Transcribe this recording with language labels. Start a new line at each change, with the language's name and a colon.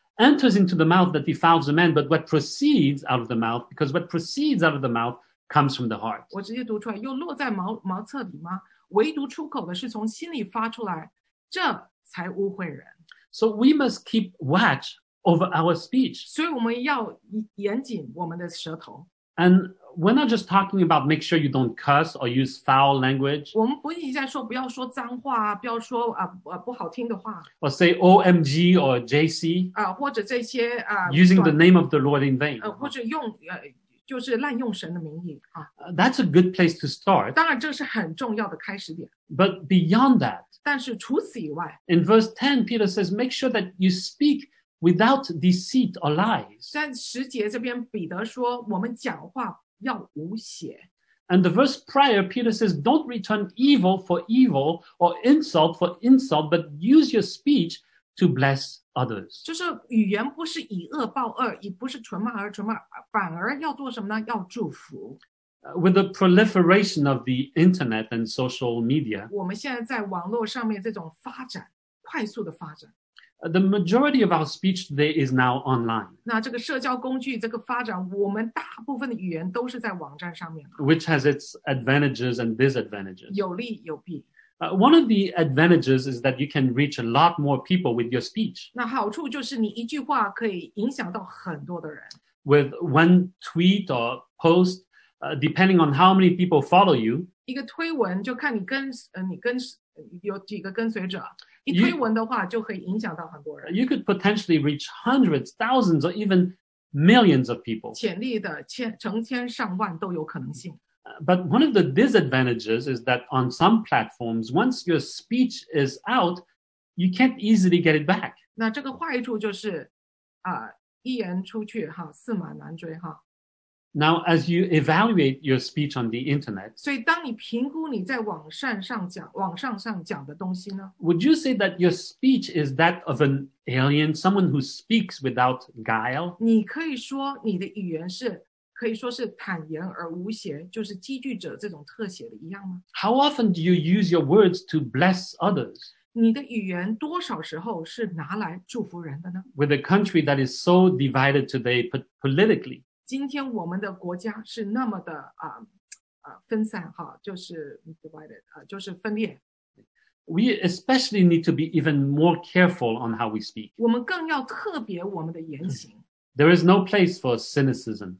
English: enters into the mouth that defiles the man, but what proceeds out of the mouth, because what proceeds out of the mouth comes from the heart.
Chinese: 我直接读出来，又落在茅厕里吗？唯独出口的是从心里发出来，这才污秽人。
English: So we must keep watch over our speech.
Chinese: 所以我们要严谨我们的舌头。
English: And we're not just talking about make sure you don't curse or use foul language.
Chinese: 我们不仅在说不要说脏话，不要说不好听的话。
English: Or say OMG or JC.
Chinese: 或者这些
English: Using the name of the Lord in vain.
Chinese: 或者用就是滥用神的名义。
English: That's a good place to start.
Chinese: 当然这是很重要的开始点。
English: But beyond that.
Chinese: 但是除此以外。
English: In verse 10, Peter says, make sure that you speak. Without deceit or lies.
Chinese: 在十节这边彼得说我们讲话要无邪。
English: And the verse prior, Peter says, don't return evil for evil or insult for insult, but use your speech to bless others.
Chinese: 就是语言不是以恶报恶，也不是纯骂而纯骂，反而要做什么呢？要祝福。
English: With the proliferation of the internet and social media,
Chinese: 我们现在在网络上面这种发展，快速的发展。
English: The majority of our speech today is now online.
Chinese: 那这个社交工具这个发展，我们大部分的语言都是在网站上面。
English: Which has its advantages and disadvantages.
Chinese: 有利有弊。
English: One of the advantages is that you can reach a lot more people with your speech.
Chinese: 那好处就是你一句话可以影响到很多的人。
English: With one tweet or post, depending on how many people follow you.
Chinese: 一个推文就看你跟你跟有几个跟随者。一推文的话就可以影响到很多人。
English: You could potentially reach hundreds, thousands, or even millions of people.
Chinese: 潜力的成千上万都有可能性。
English: But one of the disadvantages is that on some platforms, once your speech is out, you can't easily get it back.
Chinese: 那这个坏处就是，一言出去哈，驷马难追哈。
English: Now, as you evaluate your speech on the internet,
Chinese: 所以当你评估你在网站上讲，网上上讲的东西呢？
English: Would you say that your speech is that of an alien, someone who speaks without guile?
Chinese: 你可以说你的语言是。可以说是坦言而无邪，就是积聚者这种特写的一样吗？
English: How often do you use your words to bless others?
Chinese: 你的语言多少时候是拿来祝福人的呢？
English: With a country that is so divided today politically.
Chinese: 今天我们的国家是那么的分散哈，就是 divided, 就是分裂。
English: We especially need to be even more careful on how we speak.
Chinese: 我们更要特别我们的言行。
English: There is no place for cynicism.